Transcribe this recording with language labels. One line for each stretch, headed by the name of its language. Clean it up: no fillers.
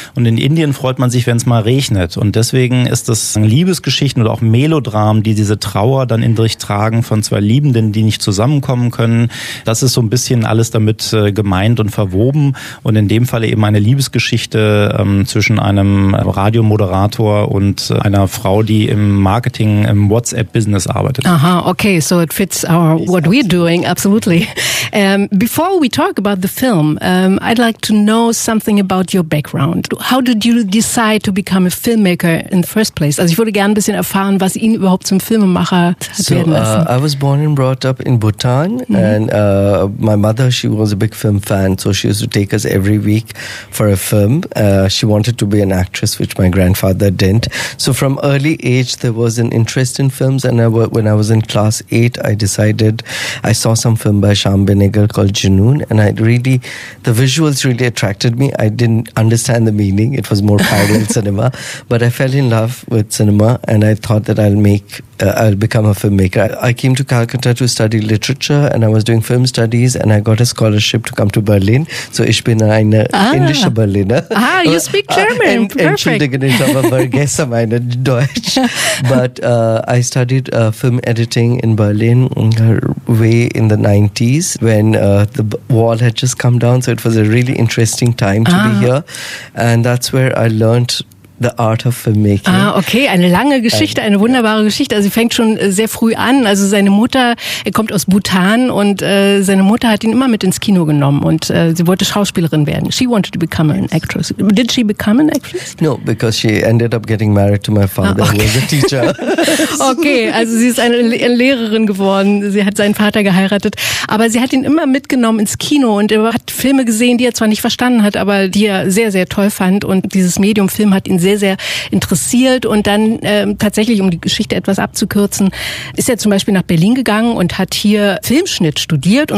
German: Und in Indien freut man sich, wenn es mal regnet. Und deswegen ist das Liebesgeschichten oder auch Melodramen, die diese Trauer dann in sich tragen von zwei Liebenden, die nicht zusammenkommen können. Das ist so ein bisschen alles damit gemeint und verwoben. Und in dem Falle eben eine Liebesgeschichte zwischen einem Radiomoderator und einer Frau, die im Marketing, im WhatsApp-Business arbeitet.
English: Aha, okay, so it fits our what we're doing, absolutely. Before we talk about the film, I'd like to know something about your background. How did you decide to become a filmmaker in the first place?
German: Also ich würde gerne ein bisschen erfahren, was ihn überhaupt zum Filmemacher hat werden lassen.
English: I was born and brought up in Bhutan. Mm-hmm. And my mother, she was a big film fan, so she used to take us every week for a film. She wanted to be an actress, which my grandfather didn't. So from early age, there was an interest in films. And when I was in class 8, I saw some film by Shyam Benegal called Junoon, and the visuals really attracted me. I didn't understand the meaning. It was more parallel cinema, but I fell in love with cinema and I thought that I'll become a filmmaker. I came to Calcutta to study literature and I was doing film studies and I got a scholarship to come to Berlin.
German: So ich bin ein indischer Berliner.
English: Ah, you speak German.
German: Entschuldigen, ich habe vergessen meine Deutsch.
English: But I studied film editing in Berlin way in the 90s when the wall had just come down. So it was a really interesting time to be here. And that's where I learned the art of filmmaking.
German: Ah, okay, eine lange Geschichte, eine wunderbare Geschichte. Also sie fängt schon sehr früh an. Also seine Mutter, er kommt aus Bhutan und seine Mutter hat ihn immer mit ins Kino genommen und sie wollte Schauspielerin werden.
English: She wanted to become an actress. Did she become an actress? No, because she ended up getting married to my father, who was a teacher.
German: Okay, also sie ist eine Lehrerin geworden. Sie hat seinen Vater geheiratet. Aber sie hat ihn immer mitgenommen ins Kino und er hat Filme gesehen, die er zwar nicht verstanden hat, aber die er sehr, sehr toll fand. Und dieses Medium Film hat ihn sehr, sehr interessiert. Und dann tatsächlich, um die Geschichte etwas abzukürzen, ist er zum Beispiel nach Berlin gegangen und hat hier Filmschnitt studiert.